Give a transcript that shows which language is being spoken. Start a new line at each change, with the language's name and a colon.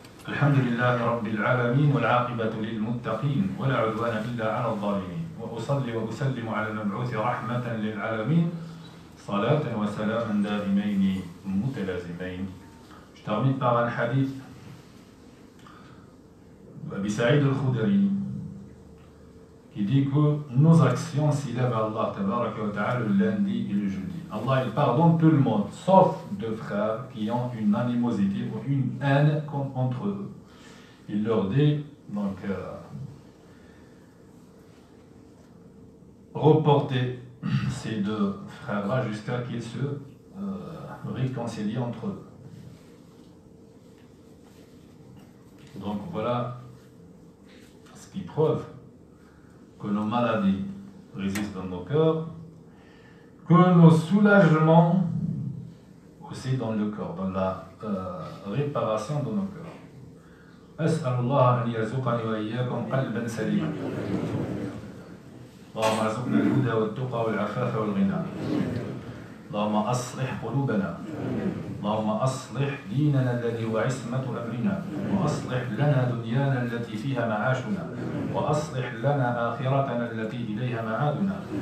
Arabic: الحمد لله رب العالمين والعاقبة للمتقين ولا عدوان إلا على الظالمين وأصلي وأسلم على المبعوث رحمة للعالمين صلاة وسلام دائمين متلازمين.
French: Je termine par un hadith d'Abi Saïd al-Khudri qui dit que nos actions s'élèvent à Allah
Arabic: tabarak wa ta'ala
French: le lundi et le jeudi. Allah il pardonne tout le monde sauf deux frères qui ont une animosité ou une haine entre eux. Il leur dit, donc, reportez ces deux frères-là jusqu'à qu'ils se réconcilient entre eux. Donc voilà ce qui prouve que nos maladies résistent dans nos cœurs, que nos soulagements aussi dans le corps, dans la réparation de nos cœurs.
Arabic: أسأل الله أن يرزقني وإياكم قلبا سليما. اللهم ارزقنا الهدى والتقى والعفاف والغنى. اللهم أصلح قلوبنا. اللهم أصلح ديننا الذي هو عصمة أمرنا. وأصلح لنا دنيانا التي فيها معاشنا. وأصلح لنا آخرتنا التي إليها معادنا.